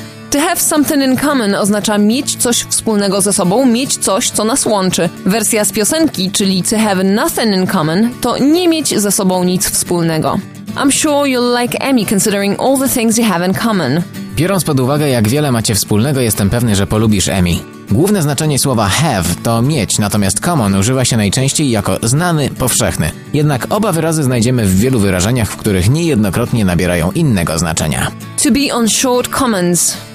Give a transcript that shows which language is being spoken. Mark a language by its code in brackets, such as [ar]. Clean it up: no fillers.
[en] To have something in common [pl] oznacza mieć coś wspólnego ze sobą, mieć coś, co nas łączy. Wersja z piosenki, czyli [en] to have nothing in common, [pl] to nie mieć ze sobą nic wspólnego. [en] I'm sure you'll like Emmy considering all the things you have in common. [pl] Biorąc pod uwagę, jak wiele macie wspólnego, jestem pewny, że polubisz Emmy. Główne znaczenie słowa have to mieć, natomiast common używa się najczęściej jako znany, powszechny. Jednak oba wyrazy znajdziemy w wielu wyrażeniach, w których niejednokrotnie nabierają innego znaczenia. [en] To be on short commons